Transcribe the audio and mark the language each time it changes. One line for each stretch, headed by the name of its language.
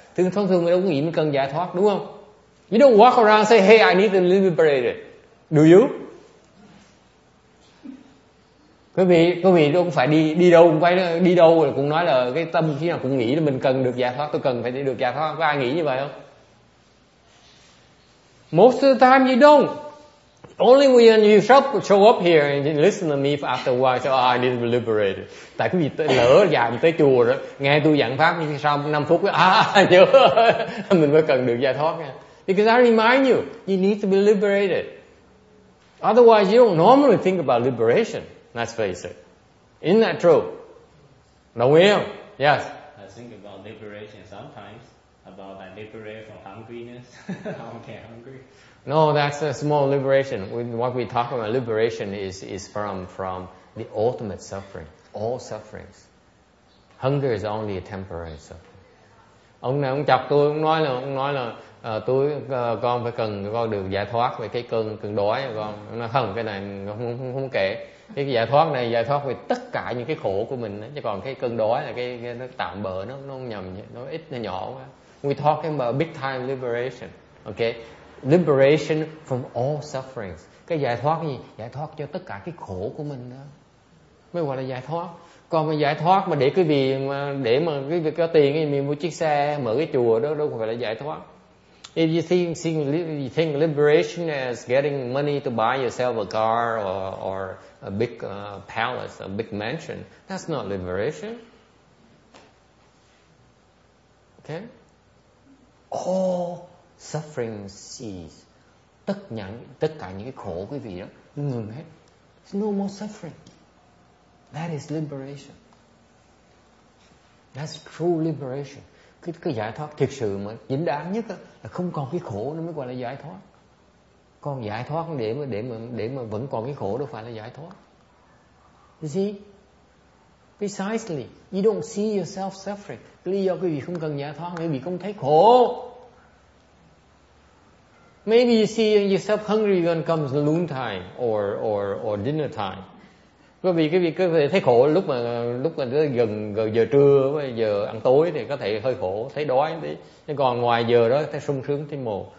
Vietnamese: Thường thường mình đâu có nghĩ mình cần giải thoát, đúng không?
English: You don't walk around say, hey, I need to liberate it. Do you?
Vietnamese: Quý vị đâu cũng phải đi đâu cũng nói là cái tâm khi nào cũng nghĩ là mình cần được giải thoát, tôi cần phải được giải thoát. Có ai nghĩ như vậy không?
English: Most of the time you don't. Only when you show up here and you listen to me after a while, say, oh, I need to be liberated.
Vietnamese: Tại quý vị lỡ dạng tới chùa rồi, nghe tôi giảng pháp như sau 5 phút, nhớ, mình mới cần được giải thoát nha.
English: Because I remind you, you need to be liberated. Otherwise, you don't normally think about liberation. Let's face it. Isn't that true? No, we don't. Yes? I think about liberation sometimes. About I liberate from hungriness. I don't get hungry. No, that's a small liberation. What we talk about liberation is from the ultimate suffering. All sufferings. Hunger is only a temporary suffering.
Vietnamese: Ông này ông chọc tôi, ông nói là con phải cần con được giải thoát về cái cơn đói con. Nó không, cái này không kể. Cái giải thoát này giải thoát về tất cả những cái khổ của mình, chứ còn cái cơn đói là cái nó tạm bợ, nó nhầm, nó ít, nó nhỏ quá.
English: We talk about big time liberation. Okay? Liberation from all sufferings.
Vietnamese: Cái giải thoát gì? Giải thoát cho tất cả cái khổ của mình đó. Mới gọi là giải thoát. Còn mà giải thoát mà để cái gì mà để mà cái việc có tiền thì mình mua chiếc xe, mở cái chùa đó đâu phải là giải thoát.
English: If you think liberation as getting money to buy yourself a car or a big palace, a big mansion, that's not liberation. Okay? all suffering cease.
Vietnamese: Tất cả những cái khổ quý vị đó ngừng hết.
English: It's no more suffering. That is liberation. That's true liberation.
Vietnamese: Cái giải thoát thực sự mà chính đáng nhất đó, là không còn cái khổ nó mới gọi là giải thoát. Còn giải thoát để mà vẫn còn cái khổ đâu phải là giải thoát.
English: You see? Precisely, you don't see yourself suffering.
Vietnamese: Lý do quý vị không cần giải thoát, quý vị không thấy khổ.
English: Maybe you see yourself hungry when comes noon time or dinner time.
Vietnamese: Quý vị có thể thấy khổ lúc mà gần giờ trưa với giờ ăn tối thì có thể hơi khổ, thấy đói tí. Nhưng còn ngoài giờ đó thấy sung sướng thấy mồ.